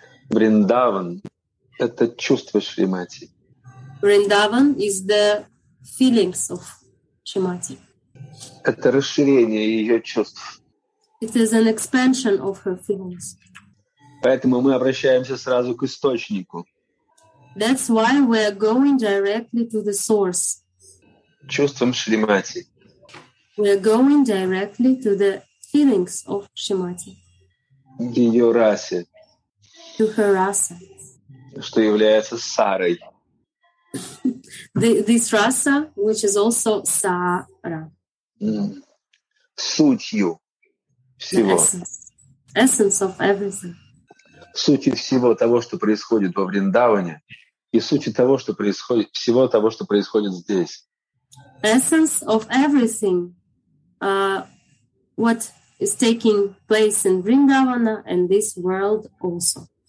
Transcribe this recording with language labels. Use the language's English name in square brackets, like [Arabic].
[Russian] Vrindavan — это чувство Шримати. [English] Vrindavan is the feelings of Shrimati. [Russian] Это расширение ее чувств. [English] It is an expansion of her feelings. [Russian] Поэтому мы обращаемся сразу к источнику. [English] That's why we are going directly to the source. [Russian] Чувством Шримати. [English] We are going directly to the feelings of Shrimati. [Russian] Ее расе. [English] To her rasa. [Russian] Что является сарой. [English] This rasa, which is also sara. [Russian] Сутью всего. [English] Essence of everything. [Russian] Сутью всего того, что происходит во Вриндаване, и сутью того, что происходит, всего того, что происходит здесь. [English] Essence of everything, what is taking place in Vrindavana and this world also.